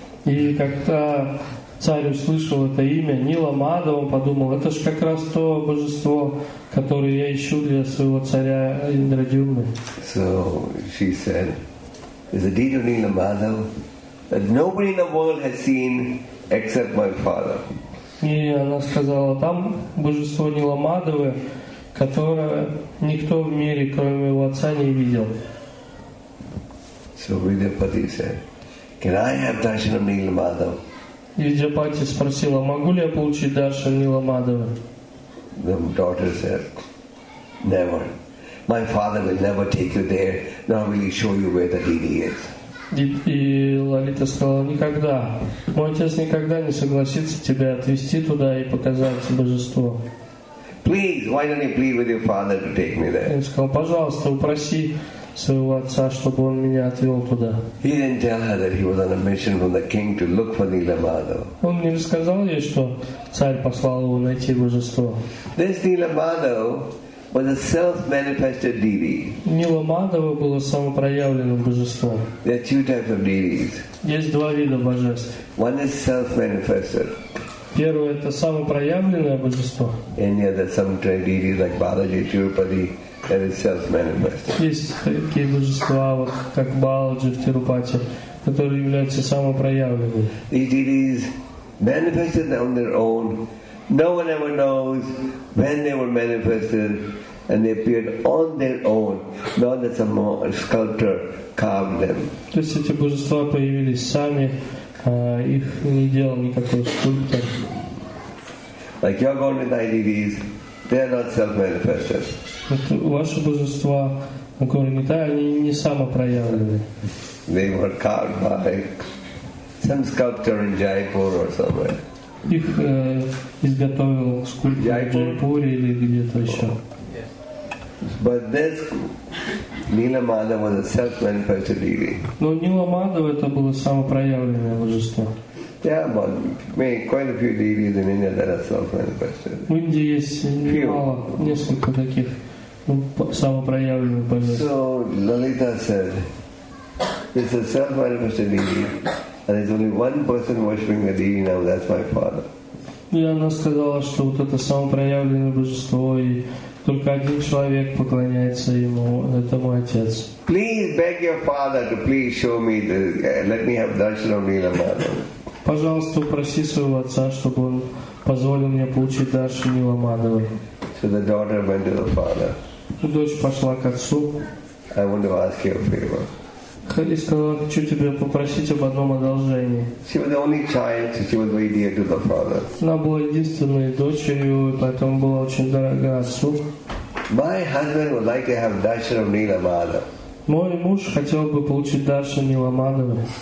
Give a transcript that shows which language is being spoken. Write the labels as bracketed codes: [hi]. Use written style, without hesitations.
[ru] И как-то царь услышал это имя Нила Мадхава, он подумал, это же как раз то божество, которое я ищу для своего царя Индрадюмны. [en] So she said, "There's a deity of Nila Madhav that nobody in the world has seen except my father." [ru] И она сказала, там божество Нила Мадхава, которое никто в мире, кроме моего отца, не видел. [en] So Vidyapati said, "Can I have darshan of Nila Madhav?" [ru] Vidyapati спросила, могу ли я получить даршан Нила Мадхава? [en] The daughter said, "Never. My father will never take you there, nor will he show you where the deity is." [ru] И Лалита сказала, никогда. Мой отец никогда не согласится тебя отвезти туда и показать божество. [en] Please, why don't you plead with your father to take me there? [ru] Он сказал, пожалуйста, упроси своего отца, чтобы он меня отвел туда. [en] He didn't tell her that he was on a mission from the king to look for Nila Madhav. [ru] Он не рассказал ей, что царь послал его найти божество. [en] This Nila Madhav was a self-manifested deity. [ru] Нила Мадхава было самопроявленным божеством. [en] There are two types of deities. [ru] Есть два вида божеств. [en] One is self-manifested. [ru] Первое это самопроявленное божество. [en] Any other some type of deity like Balaji, Tirupati. That is self-manifested. [ru] Есть такие божества, вот как Баладжи в Тирупати, которые являются самопроявленными. [en] These deities manifested on their own. No one ever knows when they were manifested, and they appeared on their own, not that some sculptor carved them. [ru] То есть эти божества появились сами, их не делал никакой скульптор. [en] Like your Gaudiya deities. They are not self-manifested. [ru] Ваши божества, Гори Нитай, они не самопроявлены. [en] They were carved by some sculptor in Jaipur or somewhere. [ru] Их изготовил скульптор в Джайпуре или где-то еще. [en] But this Nila Madhav was a self-manifested deity. [ru] Но Нила Мадхав это было самопроявленное божество. [en] Yeah, but may quite a few deities in India that are self-manifested. [ru] В Индии есть мало, несколько таких самопроявленных божеств. [en] So Lalita said, "It's a self-manifested deity, and there's only one person worshiping the deity now. That's my father." [ru] И она сказала, что вот это самопроявленное божество, и только один человек поклоняется ему, это мой отец. [en] Please beg your father to please show me the, let me have darshan of Nila Madhav. [ru] Пожалуйста, упроси своего отца, чтобы он позволил мне получить даршан Нила Мадхава. [en] So the daughter went to the father. [ru] Дочь пошла к отцу. [en] I want to ask you a favor. [ru] Хари сказала, хочу тебя попросить об одном одолжении. [en] She was the only child, so she was very dear to the father. [ru] Она была единственной дочерью, и потом была очень дорога отцу. [en] My husband would like to have darshan of Nila Madhav. [ru] Мой муж хотел бы получить даршан Нила Мадхава.